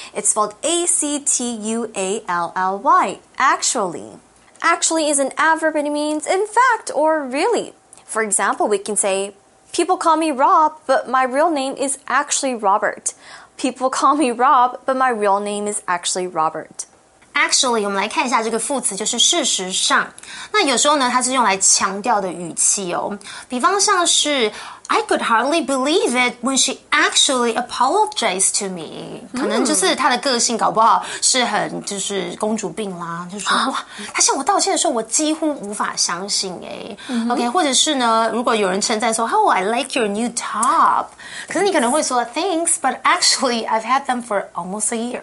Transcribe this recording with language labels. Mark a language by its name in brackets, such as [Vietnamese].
[English] It's spelled A-C-T-U-A-L-L-Y. Actually. Actually is an adverb and it means in fact or really. For example, we can say, people call me Rob, but my real name is actually Robert. People call me Rob, but my real name is actually Robert. [Chinese] Actually, 我们来看一下这个副词，就是事实上。那有时候呢，它是用来强调的语气哦。比方像是 [English] I could hardly believe it when she actually apologized to me. [Chinese] 可能就是她的个性搞不好是很就是公主病啦，就说哇，她向我道歉的时候，我几乎无法相信哎。 OK, 或者是呢，如果有人称赞说 [English] Oh, I like your new top. [Chinese] 可是你可能会说 [English] Thanks, but actually, I've had them for almost a year.